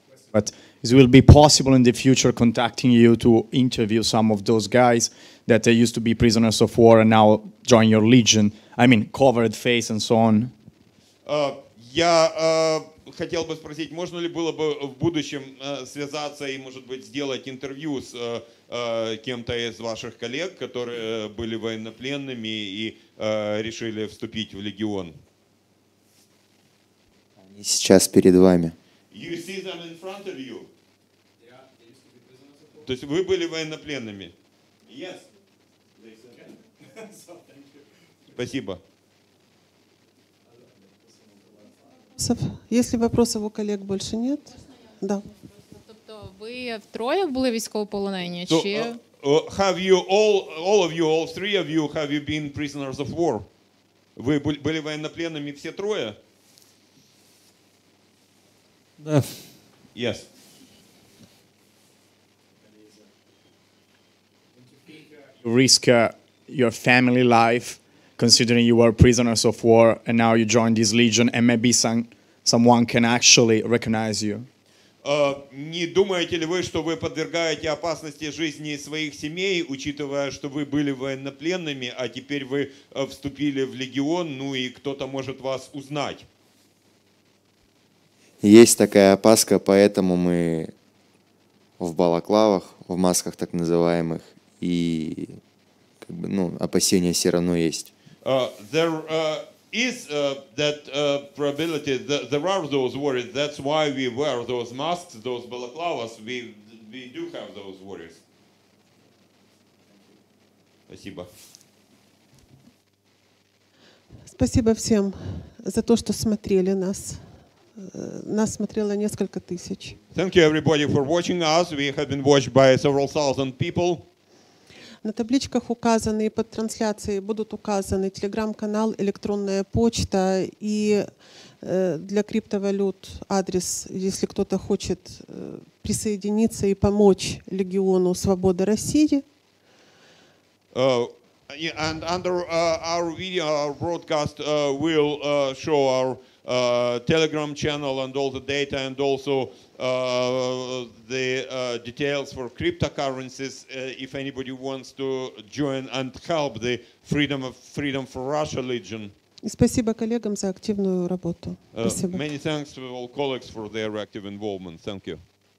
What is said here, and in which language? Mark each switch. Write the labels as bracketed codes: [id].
[en] But it will be possible in the future contacting you to interview some of those guys that they used to be prisoners of war and now join your legion. I mean, covered face and so on. [ru] Я хотел бы спросить, можно ли было бы в будущем связаться и, может быть, сделать интервью с кем-то из ваших коллег, которые были военнопленными и решили вступить в легион? Они сейчас перед вами. [en] You see them in front of you. Yeah. [ru] То есть вы были военнопленными? [en] Yes. [ru] Спасибо. Если вопросов у коллег больше нет? Да. [uk] Тобто ви втроє були військовополонені чи? [en] Have you all of you, all three of you, have you been prisoners of war? [uk] Ви були воєнопленними всі троє? [ru] Да. [en] Yes. Risk your family life, considering you were prisoners of war, and now you joined this legion, and maybe someone can actually recognize you. [ru] Не думаете ли вы, что вы подвергаете опасности жизни своих семей, учитывая, что вы были военнопленными, а теперь вы вступили в легион, ну и кто-то может вас узнать? Есть такая опаска, поэтому мы в балаклавах, в масках так называемых, и как бы, ну, опасения все равно есть. [en] There is that probability, there are those worries, that's why we wear those masks, those balaclavas, we do have those worries. [ru] Спасибо. Спасибо всем за то, что смотрели нас. Нас смотрело несколько тысяч. [en] Thank you everybody for watching us. We have been watched by several thousand people. [ru] На табличках указаны, под трансляцией будут указаны телеграм-канал, электронная почта и для криптовалют адрес, если кто-то хочет присоединиться и помочь Легиону Свободы России. [en] Yeah, and under our video, our broadcast will show our Telegram channel and all the data and also the details for cryptocurrencies if anybody wants to join and help the Freedom for Russia Legion. [ru] Спасибо коллегам за активную работу. Спасибо. [en] Many thanks to all colleagues for their active involvement. Thank you.